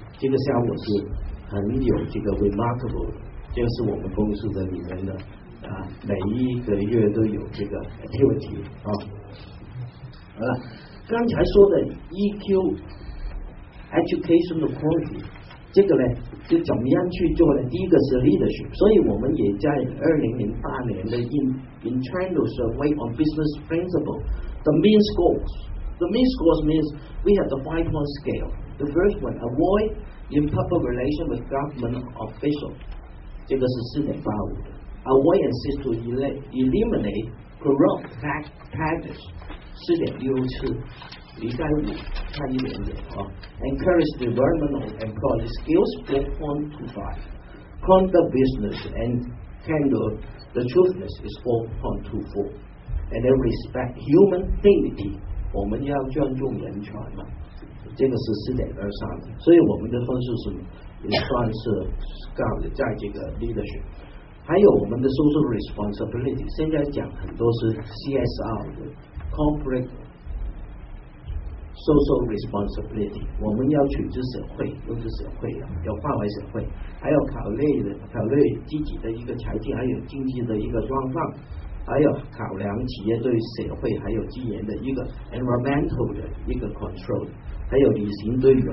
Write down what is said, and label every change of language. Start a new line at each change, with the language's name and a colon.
Chinese: 这个项目是很有这个 remarkable， 这是我们公司的里面的啊，每一个月都有这个 activity 啊。好了，刚才说的 EQ education quality。这个呢就怎么样去做呢？第一个是 leadership， 所以我们也在2008年的
English: internal survey on business principle the main scores， the main scores means we have the 5-point scale， the first one avoid improper relation with government official，
Chinese: 这个是
English: 4.85 avoid and seek to eliminate corrupt practices 4.64
Chinese: 离开五差一点点啊
English: ，encourage development of employee skills 4.25 conduct business and handle the truthness is 4.24 and then respect human dignity，
Chinese: 我们要尊重人权嘛，这个是4.23，所以我们的分数是也算是高的，在这个 leadership， 还有我们的 social responsibility， 现在讲很多是 CSR 的 corporate。 Social responsibility， 我们要取之社会，用之社会啊，要化为社会，还要考虑自己的一个财政，还有经济的一个状况，还有考量企业对社会还有资源的一个 environmental 的一个 control， 还有履行对员。